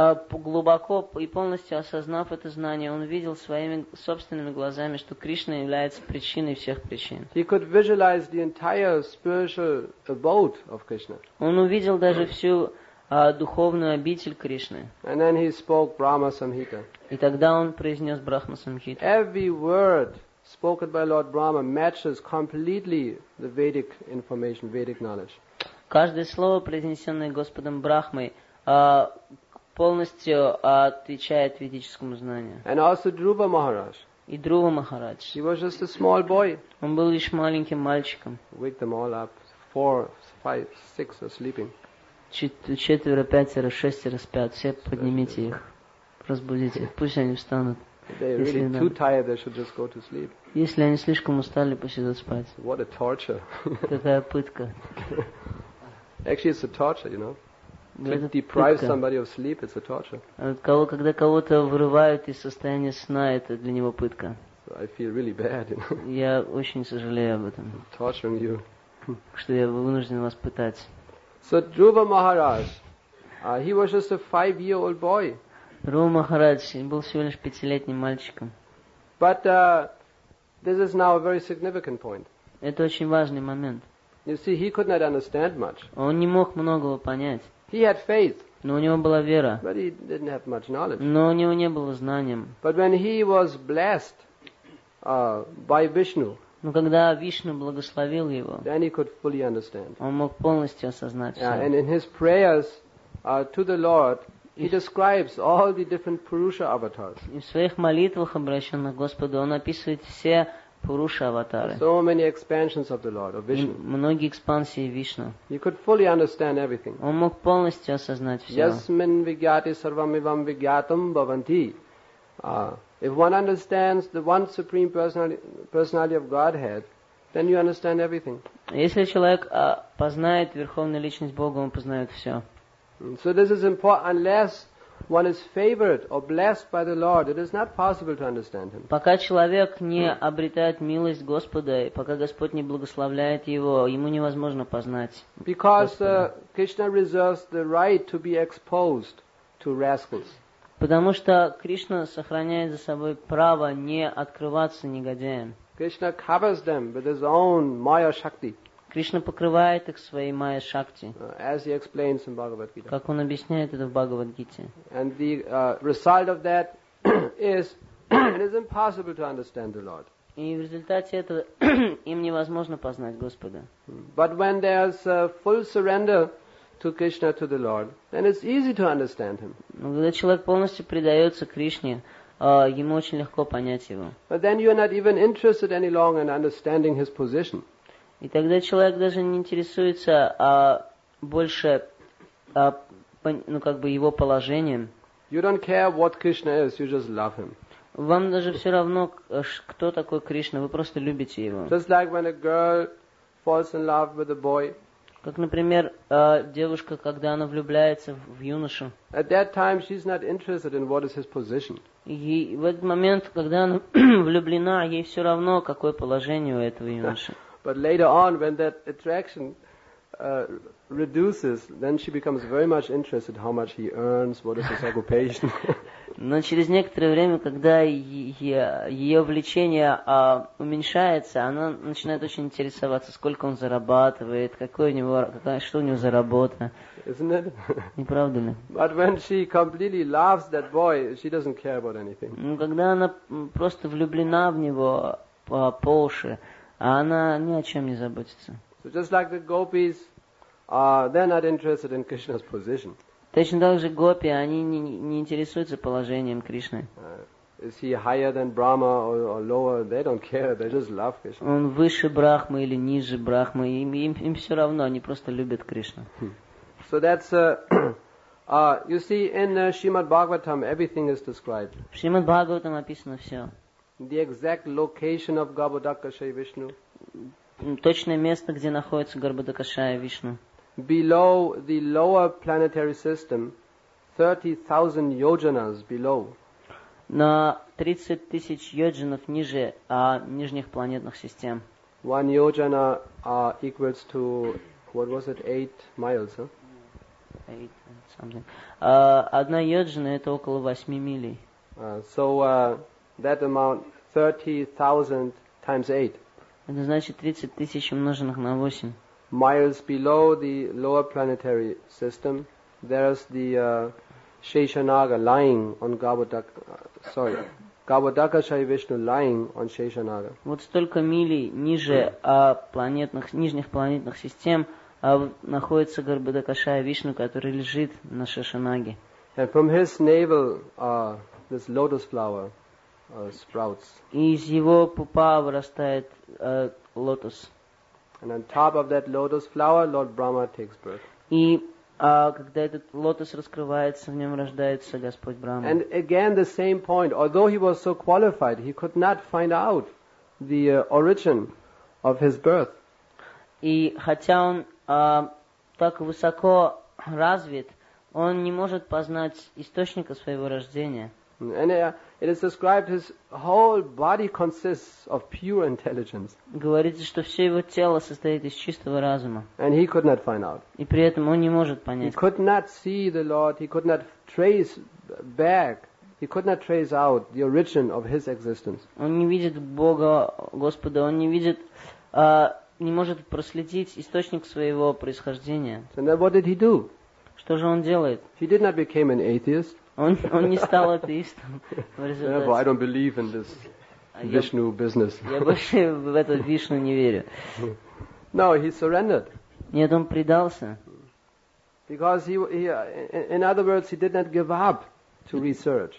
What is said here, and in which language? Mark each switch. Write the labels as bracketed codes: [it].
[ru] Глубоко и полностью осознав это знание, он видел своими собственными глазами, что Кришна является причиной всех причин. [en] He could visualize the entire spiritual abode of Krishna. [ru] Он увидел даже всю духовную обитель Кришны. [en] And then he spoke Brahma Samhita. [ru] И тогда он произнес Брахма Самхиту. [en] Every word spoken by Lord Brahma matches completely the Vedic information, Vedic knowledge. [ru] Каждое слово, произнесенное Господом Брахмой, полностью отвечает ведическому знанию. [en] And also Dhruva Maharaj. [ru] И Друва Махарадж. [en] He was just a small boy. [ru] Он был лишь маленьким мальчиком. [en] Wake them all up. Four, five, six are sleeping. [ru] Четверо, пятеро, шестеро спят. Все поднимите их. Разбудите их. Пусть они встанут. [en] Really too tired, they should just go to sleep. [ru] Если они слишком устали, пусть идут спать. [en] What a torture. [ru] Какая пытка. [en] Actually, it's a torture, you know. To deprive somebody of sleep, it's a torture. [ru] Когда кого-то вырывают из состояния сна, это для него пытка. [en] So I feel really bad, you know. [ru] Я очень сожалею об этом. [en] Torturing you. [ru] Что я вынужден вас пытать. [en] So Dhruva Maharaj, he was just a five-year-old boy. [ru] Друва Махарадж был всего лишь пятилетним мальчиком. [en] But this is now a very significant point. [ru] Это очень важный момент. [en] You see, he could not understand much. [ru] Он не мог многого понять. [en] He had faith. [ru] Но у него была вера. [en] But he didn't have much knowledge. [ru] Но у него не было знания. [en] But when he was blessed by Vishnu. [ru] Но когда Вишну благословил его. [en] Then he could fully understand. [ru] Он мог полностью осознать все. [en] And in his prayers to the Lord, he describes all the different Purusha avatars. [ru] И в своих молитвах, обращенных к Господу, он описывает все Пуруша аватары. [en] So many expansions of the Lord, of Vishnu. [ru] Многие экспансии Вишну. [en] He could fully understand everything. [ru] Он мог полностью осознать все. [sa] Yasmin vigyati sarvam evam vigyatam bhavanti. [en] If one understands the one supreme personality of Godhead, then you understand everything. [ru] Если человек познает верховную личность Бога, он познает все. [en] So this is important. Unless one is favored or blessed by the Lord, it is not possible to understand him. [ru] Пока человек не обретает милость Господа, пока Господь не благословляет его, ему невозможно познать. [en] Because Krishna reserves the right to be exposed to rascals. [ru] Потому что Кришна сохраняет за собой право не открываться негодяям. [en] Krishna covers them with his own Maya Shakti. [ru] Кришна покрывает их своей майя шакти. [en] As he explains in Bhagavad Gita. [ru] Как он объясняет это в Бхагавад Гите. [en] And the result of that is it is impossible to understand the Lord. [ru] И в результате этого им невозможно познать Господа. [en] But when there is full surrender to Krishna, to the Lord, then it's easy to understand him. [ru] Но когда человек полностью предается Кришне, ему очень легко понять его. [en] But then you are not even interested any longer in understanding his position. [ru] И тогда человек даже не интересуется больше его положением. [en] You don't care what Krishna is, you just love him. [ru] Вам даже все равно, кто такой Кришна, вы просто любите его. [en] Just like when a girl falls in love with a boy. [ru] Как, например, девушка, когда она влюбляется в юношу. [en] At that time she's not interested in what is his position. [ru] И в этот момент, когда она влюблена, ей все равно, какое положение у этого юноши. [en] But later on, when that attraction reduces, then she becomes very much interested how much he earns, what is his occupation. [ru] Но через некоторое время, когда ее влечение уменьшается, она начинает очень интересоваться, сколько он зарабатывает, что у него за работа. [en] Isn't it? [ru] Не правда ли? [en] But when she completely loves that boy, she doesn't care about anything. [ru] Ну, когда она просто влюблена в него по уши, а она ни о чем не заботится. [en] So just like the gopis, they're not interested in Krishna's position. [ru] Точно так же гопи, они не интересуются положением Кришны. [en] Is he higher than Brahma or lower? They don't care. They just love Krishna. [ru] Он выше Брахмы или ниже Брахмы? Им все равно. Они просто любят Кришну. [en] So that's you see, in Srimad Bhagavatam, everything is described. [ru] В Шримад Бхагаватам описано все. [en] The exact location of Garbhodakshaya Vishnu. [ru] Точное место, где находится Garbhodakshaya Vishnu. [en] Below the lower planetary system, 30,000 yojanas below. [ru] На 30,000 йоджанов ниже нижних планетных систем. [en] One yojana equals to what was it? 8 miles, huh? 8 something. [ru] Одна йоджана это около 8 миль. [en] That amount, 30,000 times 8. [ru] Это значит 30,000 умноженных на 8. [en] Miles below the lower planetary system, there is the Sheshanaga lying on Garbhodakshaya Vishnu lying on Sheshanaga. [ru] Вот столько милей ниже нижних планетных систем находится Garbhodakshaya Vishnu, который лежит на Шешанаге. [en] And from his navel this lotus flower sprouts. [ru] И из его пупа вырастает лотос. [en] And on top of that lotus flower, Lord Brahma takes birth. [ru] И когда этот лотос раскрывается, в нем рождается Господь Брахма. [en] And again the same point. Although he was so qualified, he could not find out the origin of his birth. [ru] И хотя он так высоко развит, он не может познать источника своего рождения. [en] And it is described his whole body consists of pure intelligence. [ru] Говорится, что все его тело состоит из чистого разума. [en] And he could not find out. [ru] И при этом он не может понять. [en] He could not see the Lord. He could not trace back. He could not trace out the origin of his existence. [ru] Он не видит Бога, Господа. Он не видит, не может проследить источник своего происхождения. [en] So then what did he do? [ru] Что же он делает? [en] He did not become an atheist. [ru] Он не стал атеистом в результате. [en] Therefore, I don't believe in this Vishnu business. [ru] Я больше в эту Вишну не верю. [en] No, he surrendered. [ru] Нет, он предался. [en] Because he in other words, he did not give up to research.